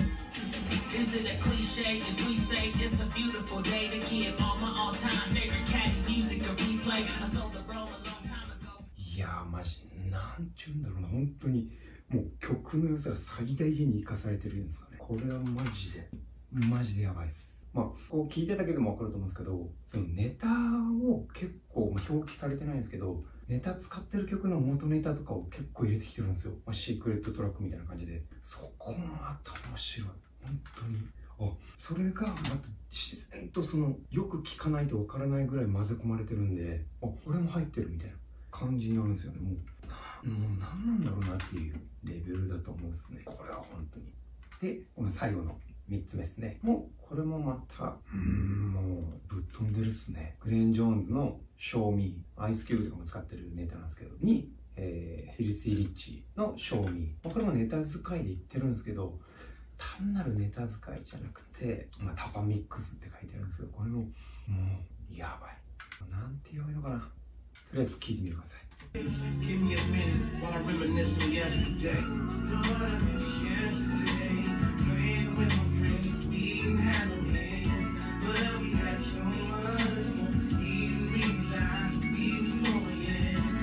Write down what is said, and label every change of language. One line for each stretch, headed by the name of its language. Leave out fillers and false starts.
English: And we say it's a beautiful day to keep all my all-time favorite catty music to replay. I sold the room a long time ago.
Japanese: Yeah, マジ、なんちゅうんだろうな、本当に。もう曲の良さが最大限に生かされてるんですかね。これはマジで、マジでやばいっす。まあ、こう聞いてただけでも分かると思うんですけど、そのネタを結構、まあ、表記されてないんですけど、ネタ使ってる曲の元ネタとかを結構入れてきてるんですよ。まあ、シークレットトラックみたいな感じで。そこもまた面白い。本当に。あ、それがまた自然とその、よく聞かないと分からないぐらい混ぜ込まれてるんで、あ、これも入ってるみたいな感じになるんですよね。もう何なんだろうなっていうレベルだと思うんですね。これは本当に。で、この最後の3つ目ですね。もう、これもまた、もう、ぶっ飛んでるっすね。グレン・ジョーンズの Show Me、アイスキューブとかも使ってるネタなんですけど、に、フィル・シー・リッチの Show Me。これもネタ使いで言ってるんですけど、単なるネタ使いじゃなくて、まあ、タパミックスって書いてあるんですけど、これも、もう、やばい。なんて言えばいいのかな。とりあえず聞いてみてください。
English: Give me a minute while I reminisce from yesterday. What a miss yesterday. Playing with my friends, we didn't have no plans. But we had so much more. Even realized we were more, yeah.